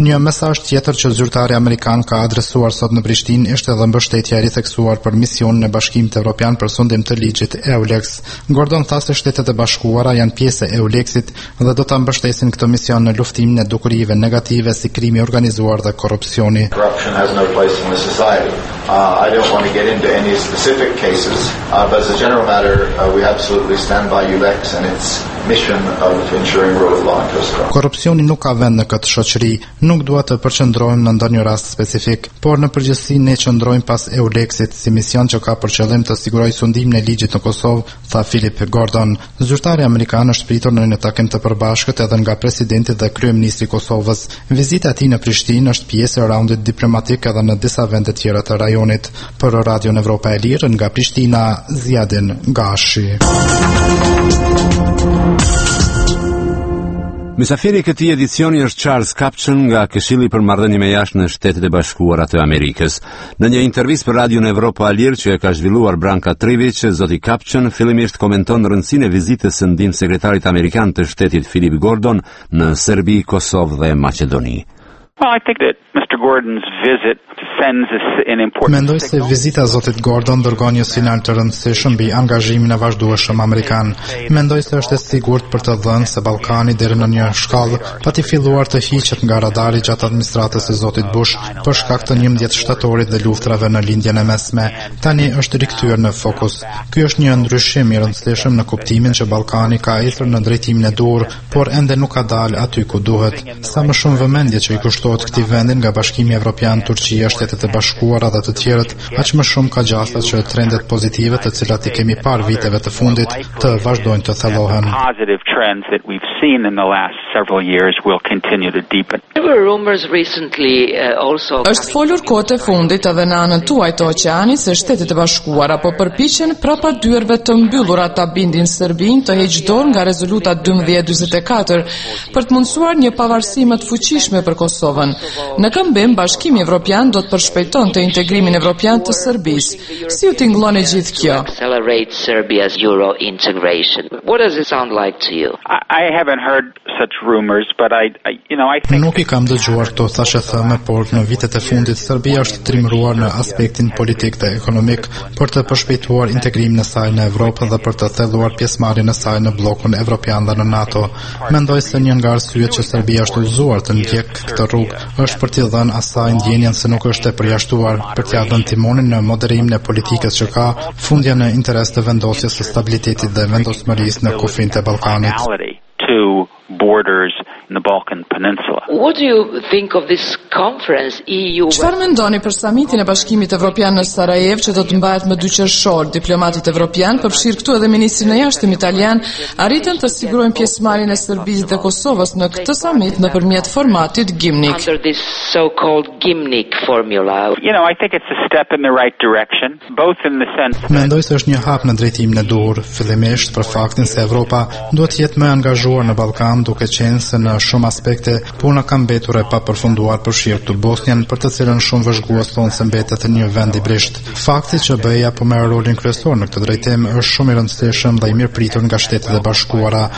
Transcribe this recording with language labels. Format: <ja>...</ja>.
<sq>Një mesazh tjetër që zyrtari amerikan ka adresuar sot në Prishtinë është edhe mbështetja e ritheksuar për misionin e Bashkimit Evropian për sundim të ligjit EULEX. Gordon tha se Shtetet e Bashkuara janë pjesë e EULEX-it dhe do ta mbështesin këtë mision në luftimin e dukurive negative si krimi organizuar dhe korrupsioni.</sq> <en>Corruption has no place in this society. I don't want to get into any specific cases, but as a general matter, we absolutely stand by EULEX and its mission of ensuring rule of law.</en> <sq>Korrupsioni nuk ka vend në këtë shoqëri, nuk dua të përqendrohem në ndonjë rast specifik, por në përgjithësi ne qëndrojmë pas EULEX-it si mision që ka për qëllim të siguroj sundimin e ligjit në Kosovë, tha Philip Gordon. Zyrtari amerikan është pritur në një takim të përbashkët edhe nga presidenti dhe kryeministri i Kosovës. Vizita e tij në Prishtinë është pjesë e raundit diplomatik edhe në disa vende tjera të rajonit. Për Radio Evropa e Lirë nga Prishtina, Ziadin Gashi. Mesafiri i këtij edicioni është Charles Kapçën nga Këshilli për Marrëdhënie me Jashtë në Shtetet e Bashkuara të Amerikës. Në një intervistë për Radio Evropa e Lirë që e ka zhvilluar Branka Trivic, zoti Kapçën fillimisht komenton rëndësinë e vizitës së ndihmë sekretarit amerikan të Shtetit Philip Gordon në Serbi, Kosovë dhe Maqedoni.</sq> <en>Well, I think that Mr. Gordon's visit sends an important</en> <sq>Mendoj se vizita e Zotit Gordon dërgon një sinjal të rëndësishëm mbi angazhimin e vazhdueshëm amerikan. Mendoj se është e sigurt për të dhënë se Ballkani deri në një shkallë pati filluar të hiqet nga radari gjatë administratës së Zotit Bush për shkak të 11 shtatorit dhe luftrave në Lindjen e Mesme. Tani është rikthyer në fokus. Ky është një ndryshim i rëndësishëm në kuptimin që Ballkani ka ecur në drejtimin e dur, por ende nuk ka dalë aty ku duhet. Sa më shumë vëmendje që i kushtohet këtij vendin nga Bashkimi Evropian, Turqia, Shtetet e Bashkuara dhe të tjerët, aq më shumë ka gjasa që trendet pozitive të cilat i kemi parë viteve të fundit të vazhdojnë të thellohen.</sq> <en>Positive trends that we've seen in the last several years will continue to deepen. There were rumors recently also</en> <sq>është folur kohët e fundit edhe në anën tuaj të oqeanit se Shtetet e Bashkuara po përpiqen prapa dyerve të mbyllura ta bindin Serbinë të heqë dorë nga rezoluta 1244 për të mundësuar një pavarësi më të fuqishme për Kosovën. Në këmbim, Bashkimi Evropian do të përshpejton të integrimin evropian të Serbisë. Si u tingëllon e gjithë kjo?</sq> <en>Accelerate Serbia's euro integration. What does it sound like to you? I haven't heard such rumors, but I think</en> <sq>nuk i kam dëgjuar këto thashë thëme, por në vitet e fundit Serbia është trimëruar në aspektin politik dhe ekonomik për të përshpejtuar integrimin e saj në Evropë dhe për të thelluar pjesëmarrjen e saj në bllokun evropian dhe në NATO. Mendoj se një nga arsyet që Serbia është udhëzuar të ndjek këtë rrugë është për t'i dhënë asaj ndjenjen se nuk është e përjashtuar për t'ia dhënë timonin në moderimin e politikës që ka fundja në interes të vendosjes së stabilitetit dhe vendosmërisë në kufrin e Ballkanit.</sq> <en>Borders in the Balkan Peninsula. What do you think of this conference EU?</en> <sq>Çfarë mendoni për samitin e Bashkimit Evropian në Sarajevo që do të mbahet më dy qershor? Diplomatët evropian, përfshir këtu edhe ministrin e jashtëm italian, arritën të sigurojnë pjesëmarrjen e Serbisë dhe Kosovës në këtë samit nëpërmjet formatit GIMNIC.</sq> <en>Under this so-called GIMNIC formula. You know, I think it's a step in the right direction, both in the sense that</en> <sq>Mendoj se është një hap në drejtimin e duhur, fillimisht për faktin se Evropa duhet të jetë më e angazhuar në Ballkan, duke qenë se në shumë aspekte puna ka mbetur e papërfunduar për shirë të Bosnjën, për të cilën shumë vëzhgues thonë se mbetet e një vend i brisht. Fakti që BE-ja po merr rolin kryesor në këtë drejtim është shumë i rëndësishëm dhe i mirë pritur nga Shtetet e Bashkuara.</sq>